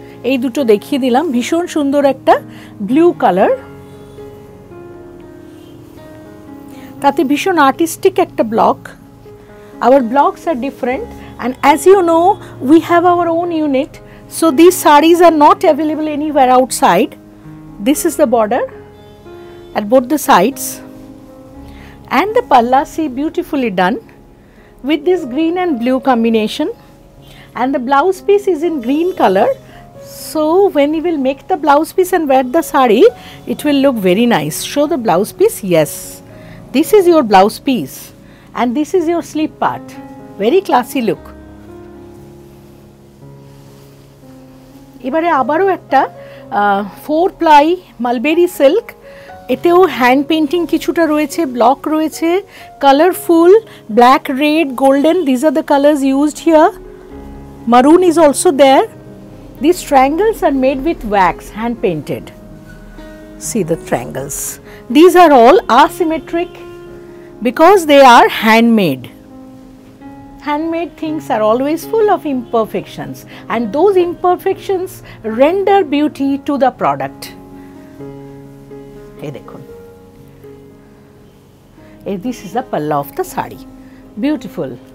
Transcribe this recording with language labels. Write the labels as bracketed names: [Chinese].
[Bangla] এই দুটো দেখিয়ে দিলাম, ভীষণ সুন্দর একটা ব্লু কালার, তাতে ভীষণ আর্টিস্টিক একটা block. [English] Our blocks are different and as you know we have our own unit, so this saris are not available anywhere outside. This is the border at both the sides and the palla, see beautifully done with this green and blue combination, and the blouse piece is in green color, so when you will make the blouse piece and wear the sari, it will look very nice. Show the blouse piece. Yes, this is your blouse piece and this is your sleeve part. Very classy look. [Bangla] এবারে আবারও একটা four ply mulberry silk, এতেও hand painting কিছুটা রয়েছে, block রয়েছে, colourful black, red, golden, [English] These are the colours used here, maroon is also there. This triangles are made with wax, hand painted, see the triangles, these are all asymmetric because they are handmade. Handmade things are always full of imperfections, and those imperfections render beauty to the product. Hey, dekho. Hey, this is the palla of the sari. Beautiful.